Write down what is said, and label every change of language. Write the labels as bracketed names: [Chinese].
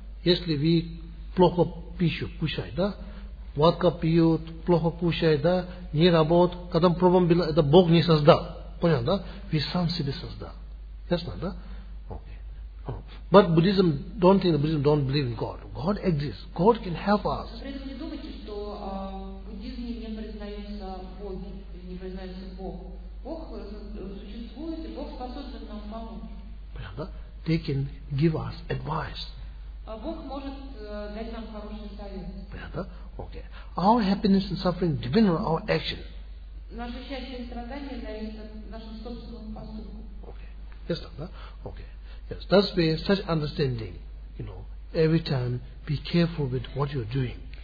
[Russian] Если вы плохо пищу кушаете, да? Водка пьют, плохо кушает, да, не работает. Когда проблема была, это Бог не создал. Понял, да? Вы сам себе создал. Ясно, да? Окей. [English] But Buddhism don't think, Buddhism don't believe in God. God exists. God can help us. [Russian] Вы не думаете, что в буддизме не признаются боги, не признаются Бог. Бог существует, и Бог способен нам помочь. [English] Правда? They can give us advice. [Russian] Бог может дать нам хороший совет. Правда? Окей. [English] Our happiness and suffering depend on our action. [Russian] Наше счастье и страдание зависит от нашего собственного поступка. [English] Yes, that, okay. Yes, that's where such understanding, you know, every time be careful with what you're doing.